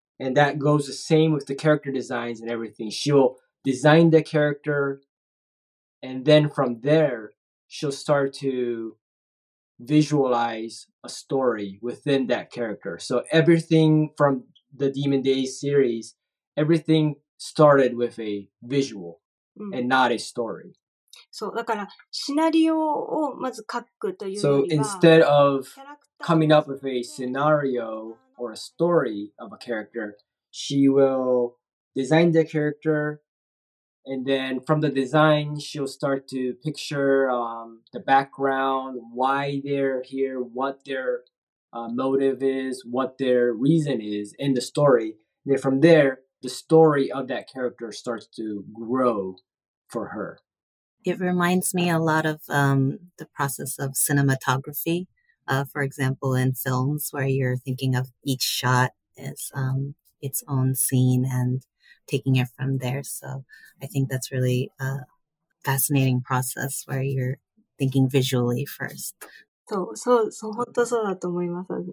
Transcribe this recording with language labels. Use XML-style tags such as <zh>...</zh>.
<en>And that goes the same with the character designs and everything. She'll design the character, and then from there, she'll start to visualize a story within that character. So everything from the Demon Days series, everything started with a visual and not a story.</en> <ja>So, だからシナリオをまず書くというよりは、</ja> <en>so instead of coming up with a scenario or a story of a character, she will design the character. And then from the design, she'll start to picture the background, why they're here, what their motive is, what their reason is in the story. And then from there, the story of that character starts to grow for her. It reminds me a lot of the process of cinematography, for example, in films where you're thinking of each shot as its own scene and taking it from there. So I think that's really a fascinating process where you're thinking visually first.</en> <ja>そう、そう、そう、本当そうだと思います。</ja>